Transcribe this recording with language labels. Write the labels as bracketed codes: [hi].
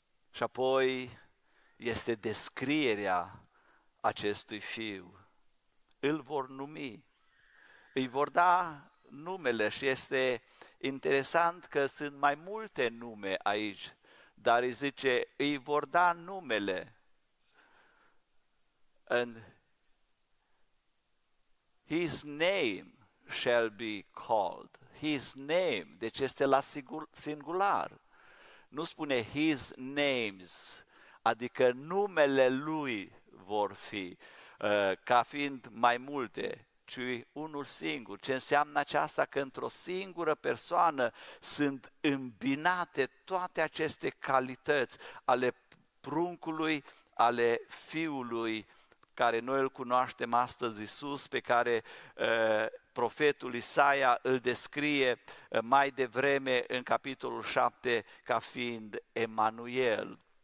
[ro] Și apoi este descrierea acestui fiu. Îl vor numi, îi vor da numele și este interesant că sunt mai multe nume aici, dar îi zice, îi vor da numele. [en] And his name shall be called, his name, [ro] deci este la singular. Nu spune [en] his names, [ro] adică numele lui vor fi, ca fiind mai multe, ci unul singur. Ce înseamnă aceasta? Că într-o singură persoană sunt îmbinate toate aceste calități ale pruncului, ale fiului, care noi îl cunoaștem astăzi, Iisus, pe care profetul Isaia îl descrie mai devreme în capitolul 7 ca fiind Emanuel.